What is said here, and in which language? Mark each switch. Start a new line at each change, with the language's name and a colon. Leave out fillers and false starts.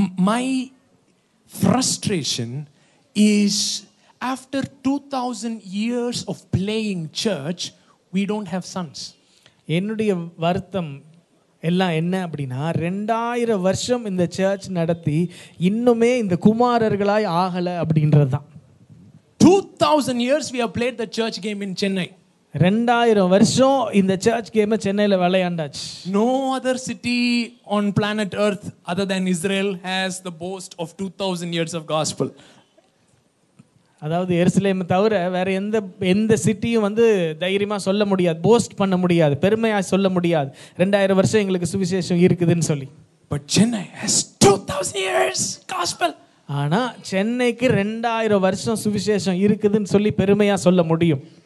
English: My frustration is after 2000 years of playing church, we don't have sons.
Tamil: என்னுடைய வருத்தம் எல்லாம் என்ன அப்படினா, 2000 வருஷம் இந்த சர்ச் நடத்தி இன்னுமே இந்த குமாரர்களாய் ஆகல அப்படின்றதுதான்.
English: 2000 years we have played the church game in Chennai.
Tamil: 2000 வருஷம் இந்த சர்ச் கேம சென்னையில் விளையாண்டாச்சு.
English: No other city on planet earth other than Israel has the boast of 2000 years of gospel.
Tamil: அதாவது எருசலேமை தவிர வேற எந்த எந்த சிட்டியும் வந்து தைரியமா சொல்ல முடியாது, போஸ்ட் பண்ண முடியாது, பெருமையா சொல்ல முடியாது, 2000 வருஷம் எங்களுக்கு சுவிசேஷம் இருக்குதுன்னு சொல்லி.
English: But Chennai has 2000 years gospel.
Tamil: ஆனா சென்னைக்கு 2000 வருஷம் சுவிசேஷம் இருக்குதுன்னு சொல்லி பெருமையா சொல்ல முடியும்.